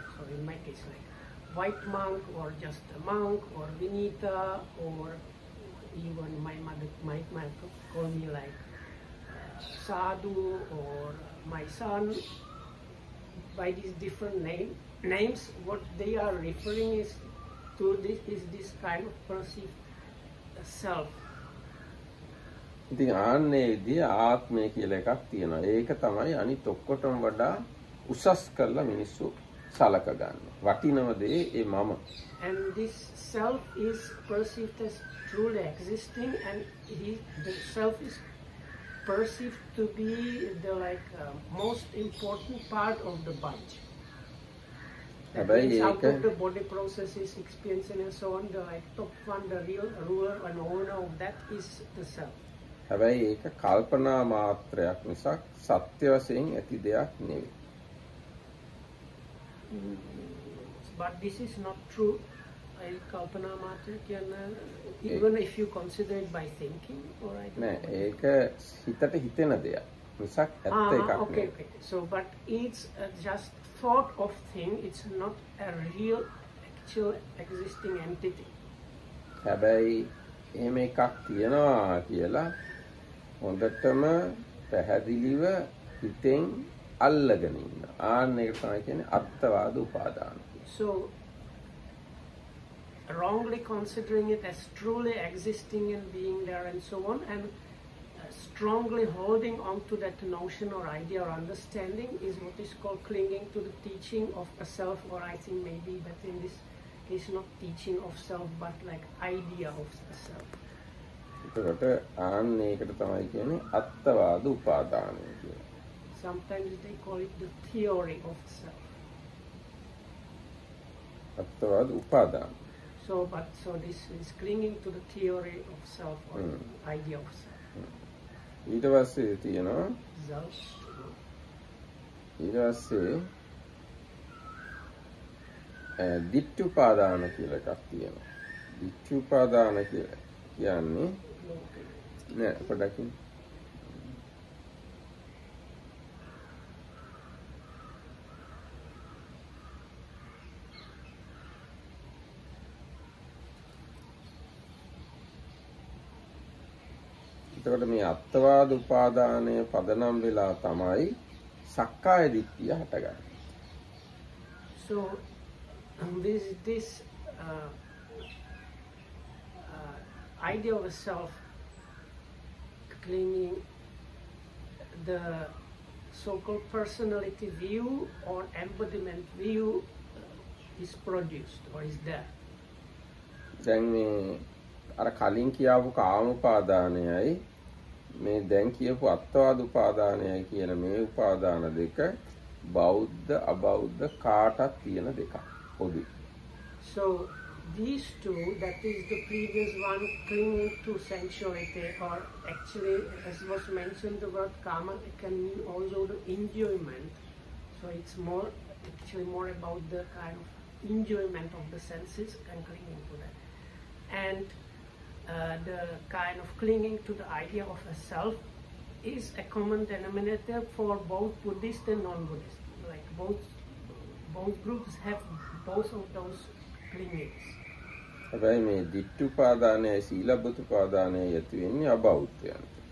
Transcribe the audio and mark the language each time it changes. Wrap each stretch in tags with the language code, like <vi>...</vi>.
<en>in my case, like white monk, or just a monk, or Vinita, or even my mother might call me like sadhu, or my son, by these different names. What they are referring is to this, is this kind of perceived self.</en> <si>ඉතින් ආන්නේ විදිය ආත්මය කියලා එකක් තියෙනවා. ඒක තමයි අනිත් ඔක්කොටම වඩා උසස් කරලා මිනිස්සු සලක ගන්න වටිනම දේ ඒ මම.</si> <en>And this self is perceived as truly existing, and the self is perceived to be the like most important part of the bunch.</en> <si>හැබැයි ඒක</si> <en>out of the body processes, experience and so on, the like top one, the real ruler and owner of that is the self.</en> <si>හැබැයි ඒක කල්පනා මාත්‍රයක් නිසා සත්‍ය වශයෙන් ඇති දෙයක් නෙවෙයි.</si> <en>But this is not true. I</en> <si>kalpana matra kiyanne</si> <en>even if you consider it by thinking or I don't know.</en> <si>ඒක හිතට හිතෙන දෙයක් නිසා ඇත්ත එකක් නෙවෙයි.</si> <en>Okay, okay. So but it's just thought of thing. It's not a real actual existing entity.</en> <si>හැබැයි එහෙම එකක් තියනවා කියලා හොඳටම පැහැදිලිව හිතෙන් අල්ලගෙන ඉන්න. ආන්න එක තමයි කියන්නේ අත්තවාද උපාදාන.</si> <en>So wrongly considering it as truly existing and being there and so on, and strongly holding on to that notion or idea or understanding is what is called clinging to the teaching of a self, or I think maybe, but in this case not teaching of self but like idea of the self.</en> <si>එතකොට ආන්න එකට තමයි කියන්නේ අත්තවාද උපාදානය කියලා.</si> <en>Sometimes they call it the theory of self.</en> <si>අත්තවාද උපාදාන.</si> <en>So this is clinging to the theory of self or idea of self.</en> <si>ඊට පස්සේ තියෙනවා</si> <en>just</en> <si>ඊට පස්සේ දිට්ඨුපාදාන කියලා එකක් තියෙනවා. දිට්ඨුපාදාන කියලා කියන්නේ නෑ පොඩකින් එතකොට මේ අත්වාද උපාදානයේ පදනම් වෙලා තමයි සක්කාය දිට්ඨිය හටගන්නේ.</si> <en>So this idea of a self claiming the so-called personality view or embodiment view is produced or is there.</en> <si>දැන් මේ අර කලින් කියාවු කාම උපාදානයයි මේ දැන් කියපු අත්වාද උපාදානයයි කියන මේ උපාදාන දෙක බෞද්ධ අබෞද්ධ කාටත් තියෙන දෙකක් පොදි.</si> <en>So these two, that is the previous one clinging to sensuality, or actually as was mentioned the word kama, it can mean also the enjoyment, so it's more actually more about the kind of enjoyment of the senses and clinging to that, and the kind of clinging to the idea of a self is a common denominator for both Buddhist and non-Buddhist. Like both groups have both of those clingings.</en> <si>හැබැයි මේ දිට්ඨුපාදානයයි සීලබ්බුතුපාදානයයි ඇති වෙන්නේ අබෞද්ධයන්ට.</si>